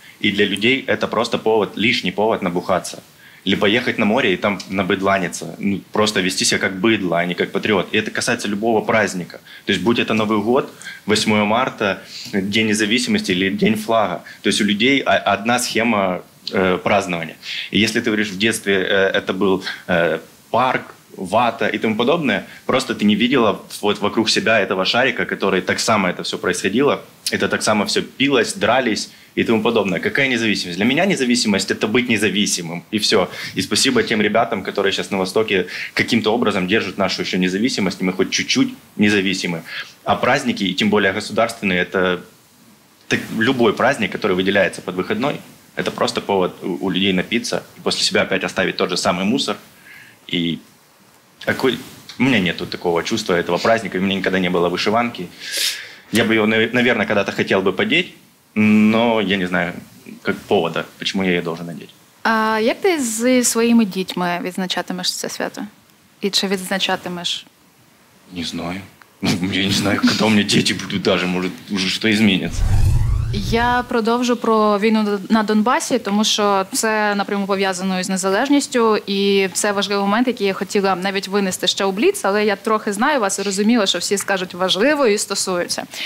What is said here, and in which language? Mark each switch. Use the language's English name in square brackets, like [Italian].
[Ukrainian] І для людей це просто повод, лишній повод набухатися. Либо їхати на море і там набидланіться. Ну, просто вести себе як бидло, а не як патріот. І це стосується будь-якого праздника. Тобто, будь це Новий год, 8 марта, День Незалежності або День флага. Тобто, у людей одна схема празднування. І якщо ти говориш, в дитинстві це був парк, вата і тому подобне, [Russian] просто ти не видела от вокруг себе этого шарика, который так само это все происходило, это так само все пилось, дрались и тому подобное. Какая независимость? Для меня независимость – это быть независимым, и все. И спасибо тем ребятам, которые сейчас на Востоке каким-то образом держат нашу еще независимость, и мы хоть чуть-чуть независимы. А праздники, и тем более государственные, это так, любой праздник, который выделяется под выходной, это просто повод у людей напиться и после себя опять оставить тот же самый мусор и... Такой, у меня нету такого чувства этого праздника, у меня никогда не было вышиванки. Я бы ее, наверное, когда-то хотел бы подеть, но я не знаю, как повода, почему я ее должен надеть. [Ukrainian] А як ти зі своїми дітьми відзначатимеш це свято? І чи відзначатимеш? Не знаю. Я не знаю, коли у мене діти будуть, даже, може, уже щось зміниться. Я продовжу про війну на Донбасі, тому що це напряму пов'язано із незалежністю, і це важливий момент, який я хотіла навіть винести ще у бліц, але я трохи знаю вас і розуміла, що всі скажуть важливо і стосується.